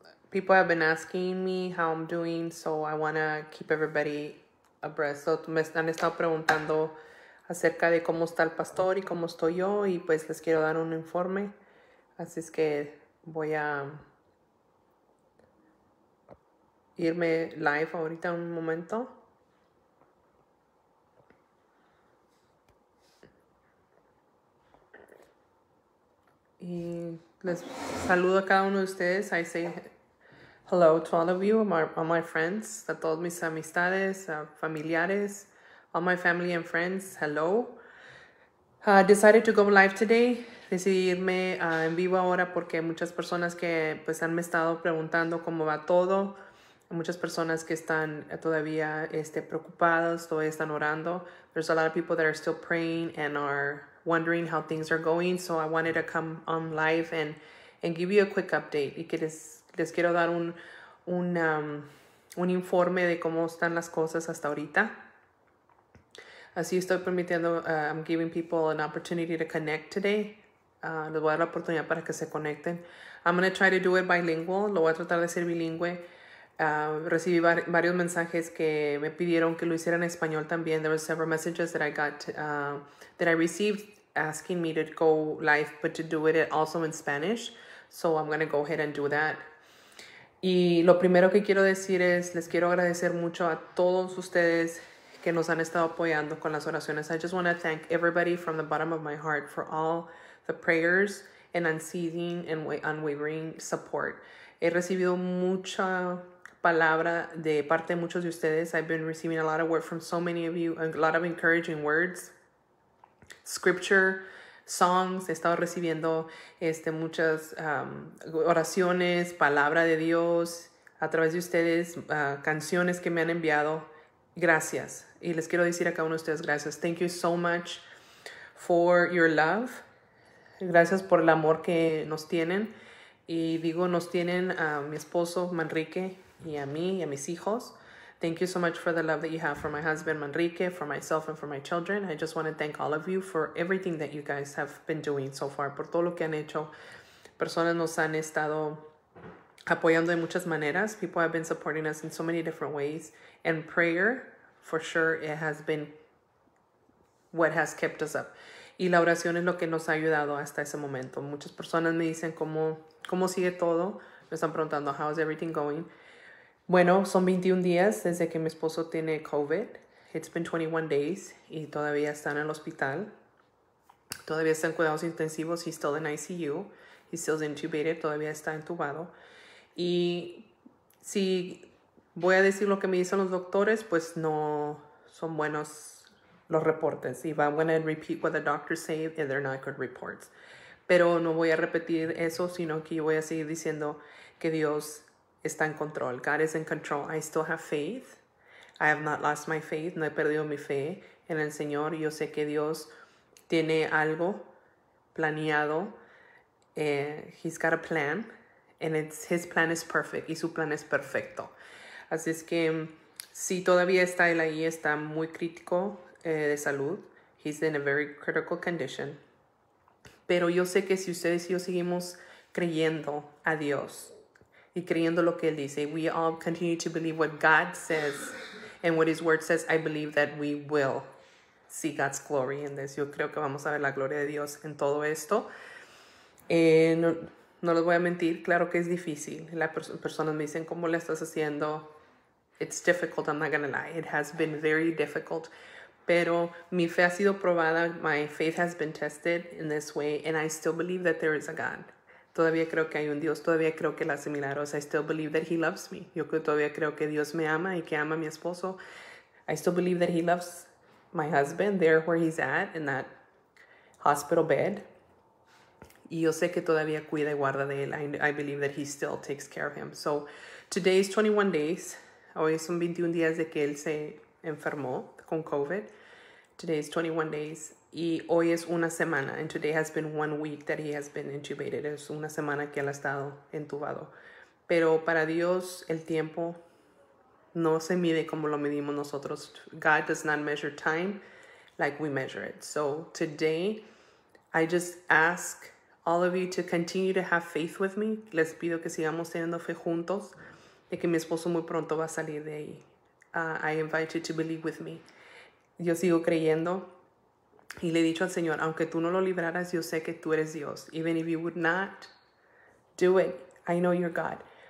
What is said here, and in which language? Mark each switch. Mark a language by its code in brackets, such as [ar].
[en] People have been asking me how I'm doing, so I wanna keep everybody abreast. [es] So me están estado preguntando acerca de cómo está el pastor y cómo estoy yo, y pues les quiero dar un informe. Así es que voy a irme live ahorita un momento. Y les saludo a cada uno de ustedes. [en] I say hello to all of you, all my friends, [es] a todos mis amistades, familiares, [en] all my family and friends. Hello. Decided to go live today. [es] Decidí irme en vivo ahora porque muchas personas que pues han me estado preguntando cómo va todo. Muchas personas que están todavía preocupadas, todavía están orando. [en] There's a lot of people that are still praying and are wondering how things are going, so I wanted to come on live and give you a quick update. [es] Y que les quiero dar un informe de cómo están las cosas hasta ahorita. Así estoy permitiendo, [en] I'm giving people an opportunity to connect today. [es] Les voy a dar la oportunidad para que se conecten. [en] I'm going to try to do it bilingual. [es] Lo voy a tratar de ser bilingüe. Recibí varios mensajes que me pidieron que lo hiciera en español también. [en] There were several messages that I got that I received asking me to go live, but to do it also in Spanish. So I'm going to go ahead and do that. [es] Y lo primero que quiero decir es, les quiero agradecer mucho a todos ustedes que nos han estado apoyando con las oraciones. [en] I just want to thank everybody from the bottom of my heart for all the prayers and unceasing and unwavering support. [es] He recibido mucha palabra de parte de muchos de ustedes. [en] I've been receiving a lot of word from so many of you, a lot of encouraging words. Scripture, songs, [es] he estado recibiendo muchas oraciones, palabra de Dios a través de ustedes, canciones que me han enviado. Gracias. Y les quiero decir a cada uno de ustedes gracias. [en] Thank you so much for your love. [es] Gracias por el amor que nos tienen. Y digo, nos tienen a mi esposo Manrique y a mí y a mis hijos. [en] Thank you so much for the love that you have for my husband, Manrique, for myself, and for my children. I just want to thank all of you for everything that you guys have been doing so far. [es] Por todo lo que han hecho. Personas nos han estado apoyando de muchas maneras. [en] People have been supporting us in so many different ways. And prayer, for sure, it has been what has kept us up. [es] Y la oración es lo que nos ha ayudado hasta ese momento. Muchas personas me dicen cómo sigue todo. Me están preguntando, [en] how is everything going? [es] Bueno, son 21 días desde que mi esposo tiene COVID. [en] It's been 21 days [es] y todavía está en el hospital. Todavía está en cuidados intensivos. [en] He's still in ICU. He's still intubated. [es] Todavía está entubado. Y si voy a decir lo que me dicen los doctores, pues no son buenos los reportes. [en] If I'm going to repeat what the doctors say, and they're not good reports. [es] Pero no voy a repetir eso, sino que yo voy a seguir diciendo que Dios está en control. [en] God is in control. I still have faith. I have not lost my faith. [es] No he perdido mi fe en el Señor. Yo sé que Dios tiene algo planeado. [en] He's got a plan. And his plan is perfect. [es] Y su plan es perfecto. Así es que si todavía está él ahí, está muy crítico de salud. [en] He's in a very critical condition. [es] Pero yo sé que si ustedes y yo seguimos creyendo a Dios y creyendo lo que él dice, [en] we all continue to believe what God says and what his word says, I believe that we will see God's glory in this. [es] Yo creo que vamos a ver la gloria de Dios en todo esto. No, no les voy a mentir, claro que es difícil. Las personas me dicen, ¿cómo le estás haciendo? [en] It's difficult, I'm not gonna lie. It has been very difficult. [es] Pero mi fe ha sido probada, [en] my faith has been tested in this way, and I still believe that there is a God. [es] Todavía creo que hay un Dios, todavía creo que él hace milagros. [en] I still believe that he loves me. [es] Yo todavía creo que Dios me ama y que ama a mi esposo. [en] I still believe that he loves my husband there where he's at in that hospital bed. [es] Y yo sé que todavía cuida y guarda de él. [en] I believe that he still takes care of him. So today is 21 days. [es] Hoy son 21 días de que él se enfermó con COVID. [en] Today is 21 days. [es] Y hoy es una semana, [en] and today has been 1 week that he has been intubated. [es] Es una semana que él ha estado entubado. Pero para Dios el tiempo No se mide como lo medimos nosotros. [en] God does not measure time like we measure it. So today, I just ask all of you to continue to have faith with me. [es] Les pido que sigamos teniendo fe juntos, de que mi esposo muy pronto va a salir de ahí. [en] I invite you to believe with me. [es] Yo sigo creyendo. Y le he dicho al Señor, aunque tú no lo libraras, yo sé que tú eres Dios. [en] Even if you would not do it, I know you're God.